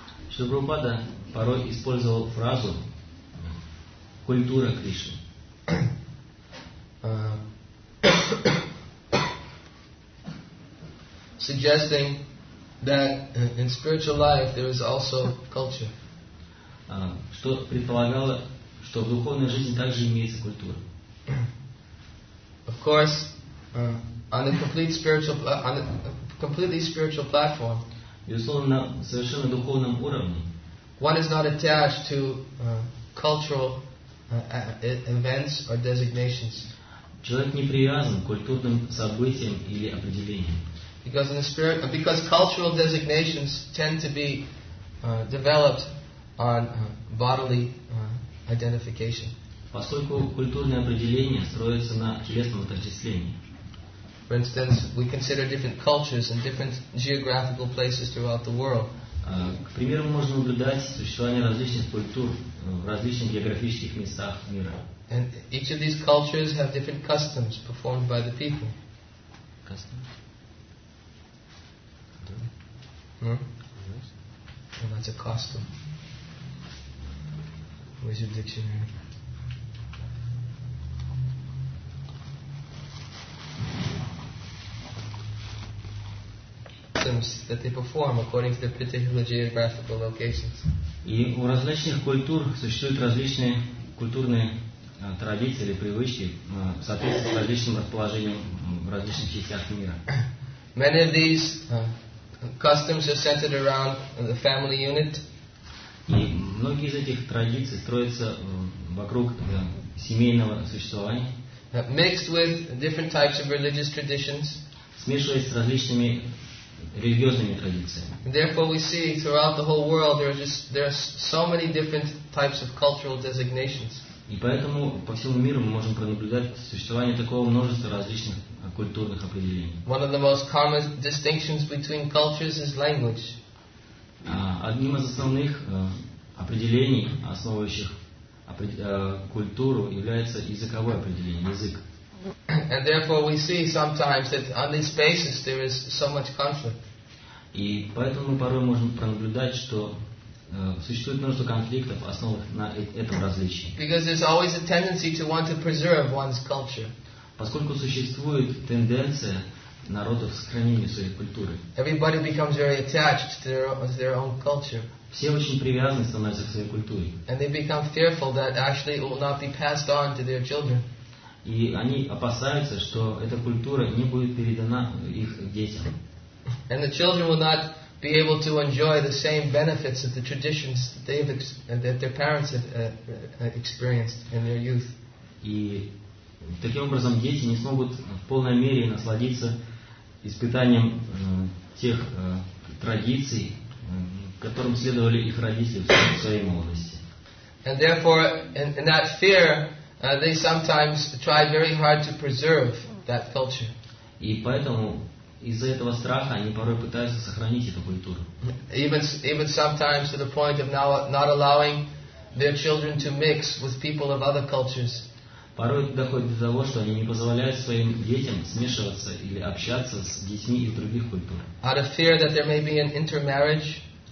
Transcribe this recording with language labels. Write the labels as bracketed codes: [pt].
[ru] Srila Prabhupada порой использовал фразу культура Кришны. Uh, [en] suggesting that in spiritual life there is also culture. [ru] Что предполагало, что в духовной жизни также имеется культура. [en] Of course, on a complete spiritual platform. [ru] Безусловно, на совершенно духовном уровне. [en] One is not attached to cultural events or designations. [ru] Человек не привязан к культурным событиям или определениям. [en] Because in the spirit, because cultural designations tend to be developed on bodily identification. [ru] Поскольку культурные определения строятся на телесном отождествлении. [en] For instance, we consider different cultures and different geographical places throughout the world. [ru] К примеру, можно наблюдать существование различных культур в различных географических местах мира. [en] And each of these cultures have different customs performed by the people. Customs? Hmm? Well, that's a custom. Where's your dictionary? Customs that they perform according to their particular geographical locations. [ru] И у различных культур существуют различные культурные традиции или привычки в соответствии с различным расположением в различных частях мира. [en] Many of these customs are centered around the family unit. [ru] И многие из этих традиций строятся вокруг семейного существования. [en] Mixed with different types of religious traditions. [ru] Смешиваясь с различными религиозными традициями. [en] Therefore, we see throughout the whole world there are just there are so many different types of cultural designations. [ru] И поэтому по всему миру мы можем пронаблюдать существование такого множества различных культурных определений. [en] One of the most common distinctions between cultures is language. [ru] Одним из основных определений, основывающих культуру, является языковое определение, язык. [en] And therefore we see sometimes that on this basis there is so much conflict. [ru] И поэтому мы порой можем пронаблюдать, что существует множество конфликтов, основанных на этом различии. [en] Because there's always a tendency to want to preserve one's culture. [ru] Поскольку существует тенденция народов к сохранению своей культуры. [en] Everybody becomes very attached to their own culture. [ru] Все очень привязаны становятся к своей культуре. [en] And they become fearful that actually it will not be passed on to their children. [ru] И они опасаются, что эта культура не будет передана их детям. [en] And the children will not be able to enjoy the same benefits of the traditions that they've that their parents have experienced in their youth. [ru] И таким образом дети не смогут в полной мере насладиться испытанием тех традиций, которым следовали их родители в своей молодости. [en] And therefore, in that fear, they sometimes try very hard to preserve that culture. [ru] И поэтому из-за этого страха они порой пытаются сохранить эту культуру. [en] Even sometimes to the point of not allowing their children to mix with people of other cultures. [ru] Порой доходит до того, что они не позволяют своим детям смешиваться или общаться с детьми из других культур. [en] Out of fear that there may be an intermarriage.